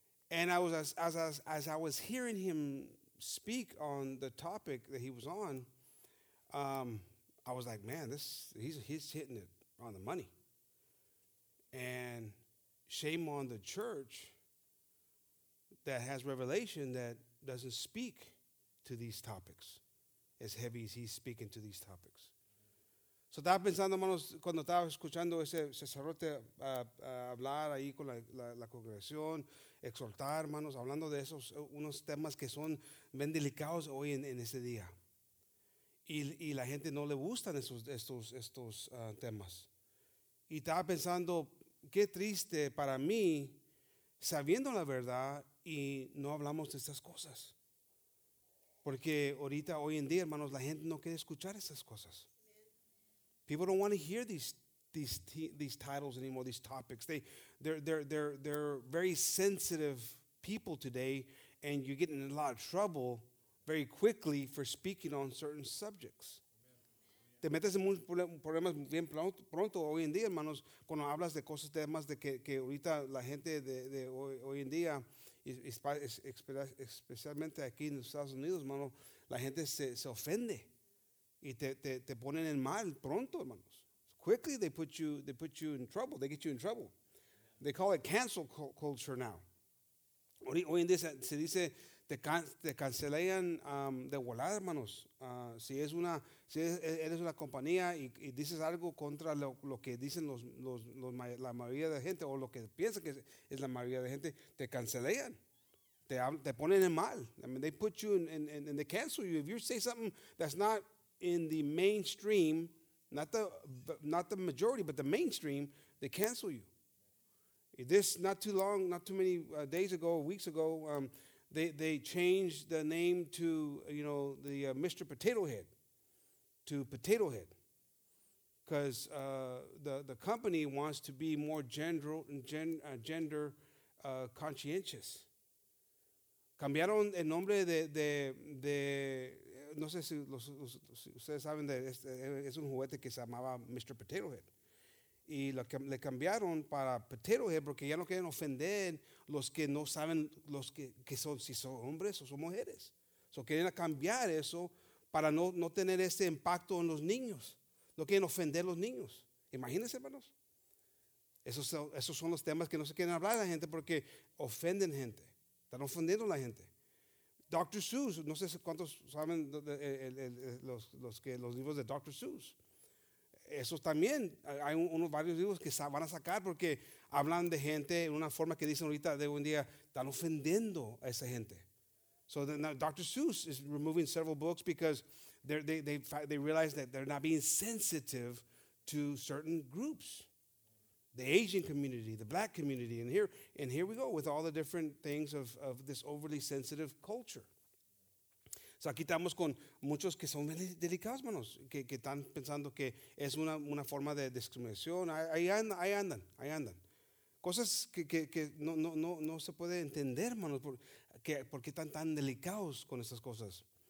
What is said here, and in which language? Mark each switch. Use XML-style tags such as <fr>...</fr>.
<en>And I was as I was hearing him speak on the topic that he was on, I was like, man, he's hitting it on the money. And shame on the church that has revelation that doesn't speak to these topics as heavy as he's speaking to these topics.</en> <es>So estaba pensando, hermanos, cuando estaba escuchando ese sacerdote hablar ahí con la congregación, exhortar, hermanos, hablando de esos unos temas que son bien delicados hoy en ese día. Y la gente no le gustan estos temas. Y estaba pensando, qué triste para mí, sabiendo la verdad, y no hablamos de estas cosas. Porque ahorita, hoy en día, hermanos, la gente no quiere escuchar esas cosas.</es> <en>People don't want to hear these titles anymore, these topics. They're very sensitive people today, and you get in a lot of trouble very quickly for speaking on certain subjects.</en> <es>Te metes en muchos problemas bien pronto hoy en día, hermanos, cuando hablas de cosas, temas de que ahorita la gente de hoy en día, especialmente aquí en Estados Unidos, hermano, la gente se ofende. Y te ponen en mal pronto, hermanos.</es> <en>Quickly they put you in trouble.</en> <es>They get you in trouble.</es> <en>They call it cancel culture now.</en> <es>Hoy en día se dice te cancelan de volada, hermanos. Si eres una compañía y dices algo contra lo que dicen la mayoría de la gente o lo que piensa que es la mayoría de la gente, te cancelan. Te ponen en mal.</es> <en>I mean, they put you and they cancel you. If you say something that's not in the mainstream, not the majority, but the mainstream, they cancel you. This not too long, not too many days ago, weeks ago, they changed the name to, you know, the Mr. Potato Head to Potato Head, because the company wants to be more gender conscientious.</en> <es>Cambiaron el nombre de no sé si ustedes saben de este, es un juguete que se llamaba Mr. Potato Head. Y le cambiaron para Potato Head porque ya no quieren ofender los que no saben los que son, si son hombres o son mujeres. So quieren cambiar eso para no tener ese impacto en los niños. No quieren ofender a los niños. Imagínense, hermanos. Esos son los temas que no se quieren hablar a la gente porque ofenden gente. Están ofendiendo a la gente. Dr. Seuss, no sé cuántos saben los libros de Dr. Seuss. Esos también, hay unos varios libros que van a sacar porque hablan de gente en una forma que dicen ahorita de hoy en día, están ofendiendo a esa gente.</es> <en>So then now Dr. Seuss is removing several books because they realize that they're not being sensitive to certain groups. The Asian community, the Black community, and here we go with all the different things of this overly sensitive culture.</en> <es>So aquí estamos con muchos que son delicados, manos, que están pensando que es una forma de discriminación. Ahí andan. Cosas que no se puede entender, manos, porque están tan delicados con estas cosas.</es>